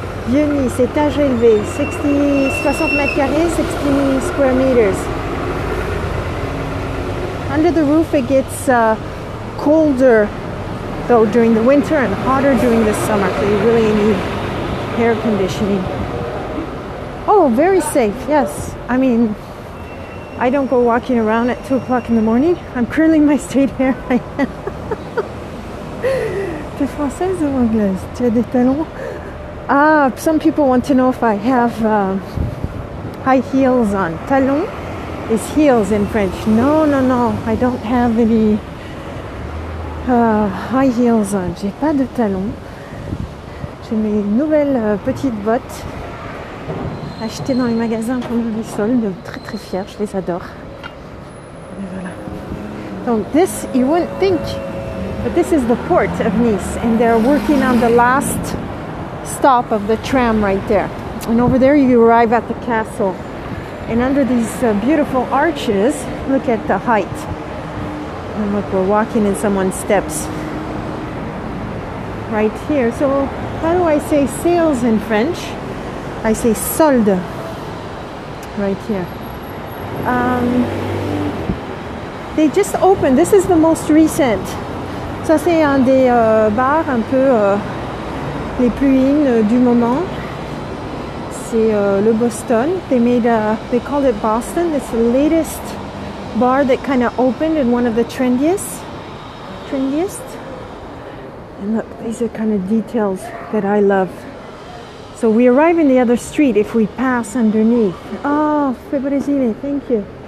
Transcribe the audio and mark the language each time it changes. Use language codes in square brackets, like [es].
[fr] Vieux Nice, étage élevé, 60 mètres carrés, [en] 60 square meters. under the roof it gets colder though during the winter and hotter during the summer, so you really need air conditioning. Oh, very safe, yes. I mean, I don't go walking around at 2 o'clock in the morning. I'm curling my straight hair. [fr] The Française ou Anglaise? Tu as des talons? [en] Ah, some people want to know if I have high heels on. Talon is heels in French. No, I don't have any high heels on. [fr] J'ai pas de talons. J'ai mes nouvelles petites bottes achetées dans les magasins pendant les soldes. Très très fière, je les adore. Et voilà. [en] Donc, this, you wouldn't think, but this is the port of Nice, and they're working on the last stop of the tram right there. And over there you arrive at the castle. And under these beautiful arches, look at the height. And look, we're walking in someone's steps. Right here. So how do I say sales in French? I say solde. Right here. They just opened. This is the most recent. [fr] Ça c'est un des bars un peu les plus in du moment. C'est le Boston. [en] They called it Boston. It's the latest bar that kind of opened and one of the trendiest. And look, these are kind of details that I love. So we arrive in the other street if we pass underneath. Oh, Febrezine, thank you.